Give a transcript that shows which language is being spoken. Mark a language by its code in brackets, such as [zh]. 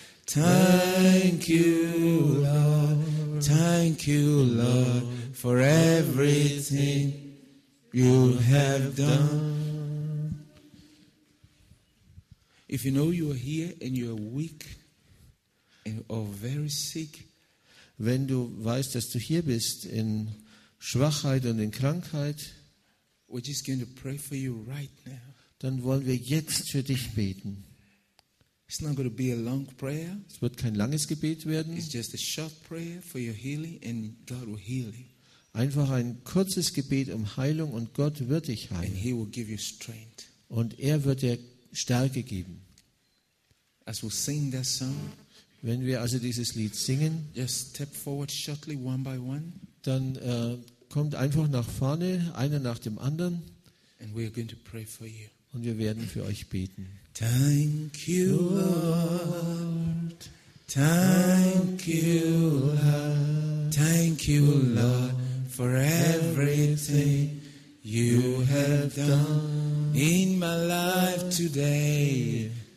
[en] Thank you, Lord. Thank you, Lord, for everything you have done. If you know you are here and you are weak or very sick, [de] wenn du weißt, dass du hier bist in Schwachheit und in Krankheit, [en] we're just going to pray for you right now. [de] Dann wollen wir jetzt für dich beten. [en] It's not going to be a long prayer. [de] Es wird kein langes Gebet werden. [en] It's just a short prayer for your healing, and God will heal you. [de] Einfach ein kurzes Gebet um Heilung und Gott wird dich heilen. [en] And He will give you strength. [de] Und er wird dir Stärke geben. [en] As we sing that song, [de] wenn wir also dieses Lied singen, [en] just step forward shortly, one by one, [de] dann Kommt einfach nach vorne, einer nach dem anderen. [en] And we are going to pray for you. [de] Und wir werden für euch beten. [en] Thank you, Lord. Thank you, Lord. Thank you, Lord, for everything you have done in my life today.